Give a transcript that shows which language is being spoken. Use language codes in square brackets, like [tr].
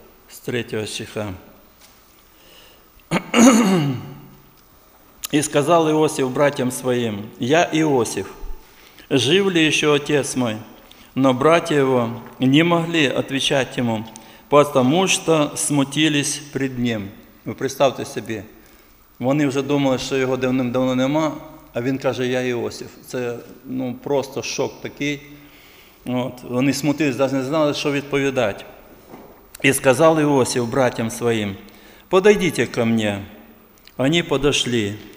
[uk] З 3 стиха. «І сказав Іосиф братям своїм, я Іосиф, жив ли ще отець мой? [ru] Но братья его не могли отвечать ему, потому что смутились пред ним». [uk] Ви представте собі. Вони вже думали, що його давним-давно нема, а він каже, я Іосиф. Це ну, просто шок такий. От. Вони смутились, навіть не знали, що відповідати. І сказав Іосиф братям своїм, подойдіть ко мені. Вони подошли.